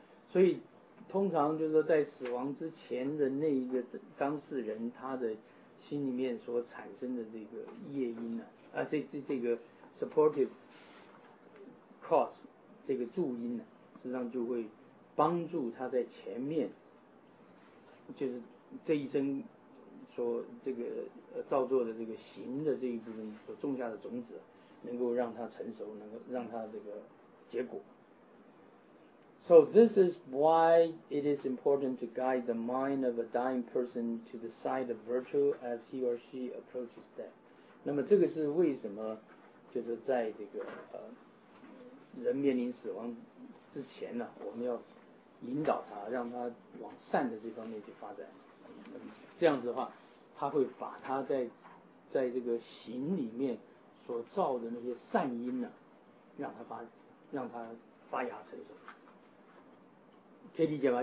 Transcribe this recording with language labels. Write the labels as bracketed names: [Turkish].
[Chinese] 所以通常就是说在死亡之前的那一个当事人他的心里面所产生的这个业因啊，这个 supportive cause 这个助因啊，实际上就会帮助他在前面就是这一生说这个造作的这个行的这一部分所种下的种子，能够让它成熟，能够让它这个结果。 [English] So this is why it is important to guide the mind of a dying person to the side of virtue as he or she approaches death. [Chinese] 那么这个是为什么，就是在这个人面临死亡之前呢、啊，我们要引导他，让他往善的这方面去发展。这样子的话，他会把他在这个行里面所造的那些善因呢、啊，让他发芽成熟。可以理解吗？